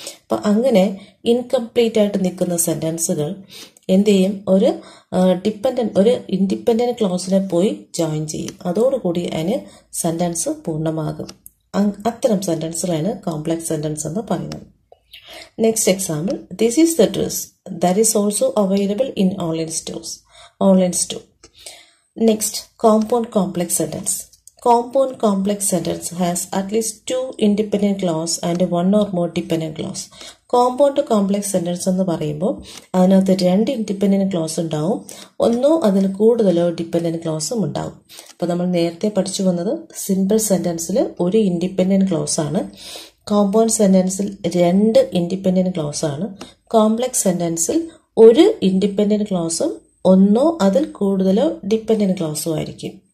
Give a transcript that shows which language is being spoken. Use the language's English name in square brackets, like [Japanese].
[Malayalam] അപ്പം അങ്ങനെ ഇൻകംപ്ലീറ്റ് ആയിട്ട് നിൽക്കുന്ന സെന്റൻസുകൾ എന്ത് ചെയ്യും, ഒരു ഡിപ്പെൻഡൻ്റ് ഒരു ഇൻഡിപ്പെൻഡൻ്റ് ക്ലോസിനെ പോയി ജോയിൻ ചെയ്യും, അതോടുകൂടി അതിന് സെന്റൻസ് പൂർണ്ണമാകും. അത്തരം സെന്റൻസുകളാണ് കോംപ്ലക്സ് സെന്റൻസ് എന്ന് പറയുന്നത്. Next example, [English] this is the dress that is also available in online stores, [Malayalam] online store. Next, compound complex sentence. [English] Compound complex sentence has at least two independent clause and one or more dependent clause. [Malayalam] Compound complex sentence എന്ന് പറയുമ്പോൾ അതിനകത്ത് രണ്ട് independent close ഉണ്ടാവും, ഒന്നോ അതിൽ കൂടുതലോ dependent ക്ലോസും ഉണ്ടാവും. അപ്പോൾ നമ്മൾ നേരത്തെ പഠിച്ചു വന്നത് സിമ്പിൾ സെൻറ്റൻസിൽ ഒരു ഇൻഡിപെൻഡൻറ്റ് ക്ലോസാണ്, കോമ്പൗണ്ട് സെൻറ്റൻസിൽ രണ്ട് ഇൻഡിപെൻഡൻറ്റ് ക്ലോസാണ്, കോംപ്ലക്സ് സെൻറ്റൻസിൽ ഒരു ഇൻഡിപെൻഡൻറ്റ് ക്ലോസും ഒന്നോ അതിൽ കൂടുതലോ ഡിപെൻഡൻറ്റ് ക്ലോസും ആയിരിക്കും.